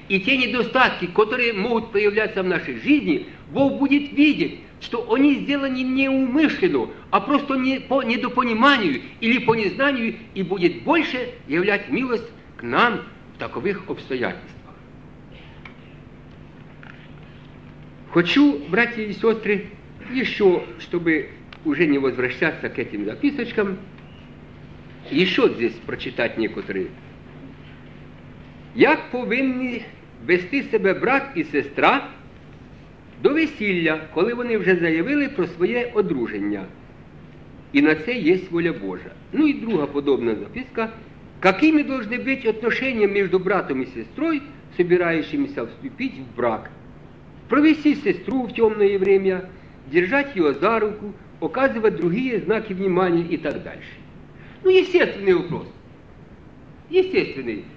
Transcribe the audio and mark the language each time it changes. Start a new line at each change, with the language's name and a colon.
Russian: И те недостатки, которые могут появляться в нашей жизни, Бог будет видеть, что они сделаны не умышленно, а просто не по недопониманию или по незнанию, и будет больше являть милость к нам в таковых обстоятельствах. Хочу, братья и сестры, еще, чтобы уже не возвращаться к этим записочкам, еще здесь прочитать некоторые.
Ukrainian: Як повинні вести себе брат і сестра до весілля, коли вони вже заявили про своє одруження. І на це є воля Божа. Ну і друга подобна записка.
Russian: Какими должны быть отношения между братом и сестрой, собирающимися вступить в брак? Провести сестру в темное время, держать ее за руку, оказывать другие знаки внимания и так дальше. Ну, естественный вопрос. Естественный.